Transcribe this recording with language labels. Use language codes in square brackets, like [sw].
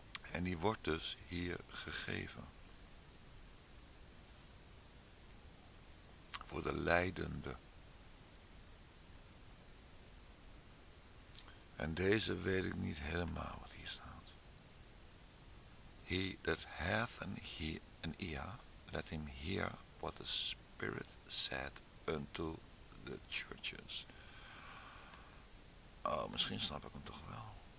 [nl] En die wordt dus hier gegeven. Voor de leidende. En deze weet ik niet helemaal wat hier staat. [en] He that hath an ear, let him hear what the Spirit said unto the churches. [nl] Oh, misschien snap ik hem toch wel.